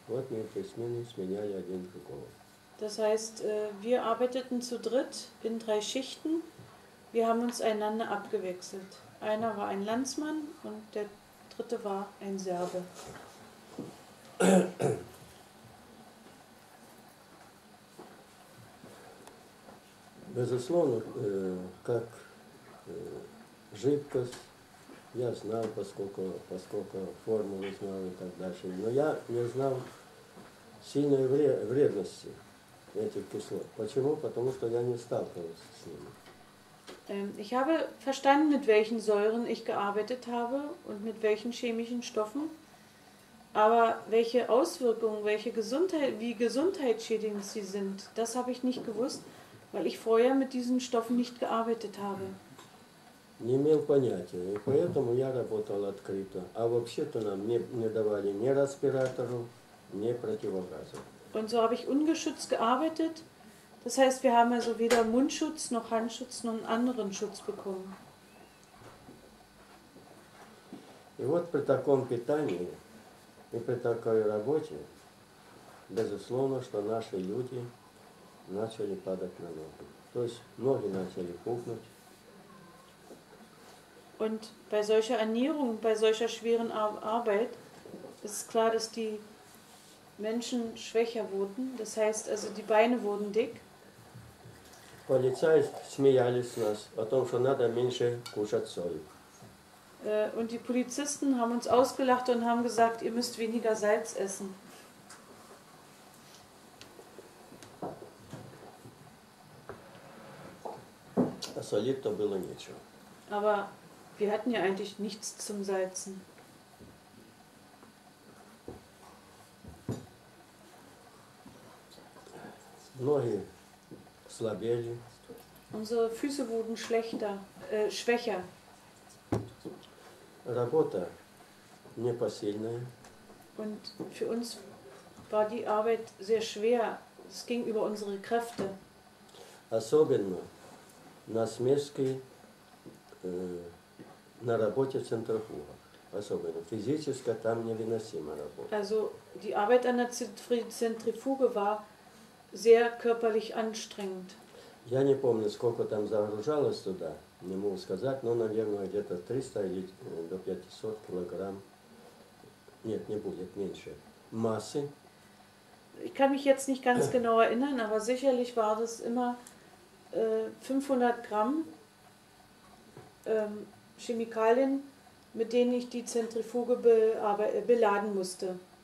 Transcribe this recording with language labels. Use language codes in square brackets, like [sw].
[ru] Вот мы в три смены сменяли один другого. [de] Das heißt, wir arbeiteten zu dritt in drei Schichten. Wir haben uns einander abgewechselt. Einer war ein Landsmann und der dritte war ein Serbe. [ru] Безусловно, как жидкость я знал, поскольку формулы знал и так дальше. Но я не знал сильной вредности этих кислот. Почему? Потому что я не сталкивался с ними. [de] Ich habe verstanden, mit welchen Säuren ich gearbeitet habe und mit welchen chemischen Stoffen. Aber welche Auswirkungen, welche Gesundheit, wie gesundheitsschädigend sie sind, das habe ich nicht gewusst, weil ich vorher mit diesen Stoffen nicht gearbeitet habe. [ru] Не имел понятия, и поэтому я работал открыто. А вообще-то нам не давали ни респиратору, ни противогаза. [de] Und so habe ich ungeschützt gearbeitet. Das heißt, wir haben also weder Mundschutz noch Handschutz noch einen anderen Schutz bekommen. [ru] И вот при таком питании и при такой работе, безусловно, что наши люди начали падать на ноги. То есть ноги начали пухнуть. [de] Und bei solcher Ernährung, bei solcher schweren Arbeit, ist klar, dass die Menschen schwächer wurden. Das heißt, also die Beine wurden dick. [ru] Polizei смеялись нас о том, что надо меньше кушать соль. [de] Und die Polizisten haben uns ausgelacht und haben gesagt, ihr müsst weniger Salz essen. [ru] А солить-то было нечего. [de] Aber wir hatten ja eigentlich nichts zum Salzen. [ru] Ноги слабели. [de] Unsere Füße wurden schlechter, schwächer. [ru] Работа непосильная. [de] Und für uns war die Arbeit sehr schwer. Es ging über unsere Kräfte. [ru] Особенно на смеске. На работе центрофуга, особенно физическая, там невыносимая работа. [de] Also die Arbeit an der Zentrifuge war sehr körperlich anstrengend. [ru] Я не помню, сколько там загружалось туда, не могу сказать, но, наверное, где-то 300 или до 500 килограмм, нет, не будет меньше, массы. [de] Ich kann mich jetzt nicht ganz genau erinnern, aber sicherlich war das immer 500 Gramm. Chemikalien, mit denen ich die Zentrifuge beladen musste.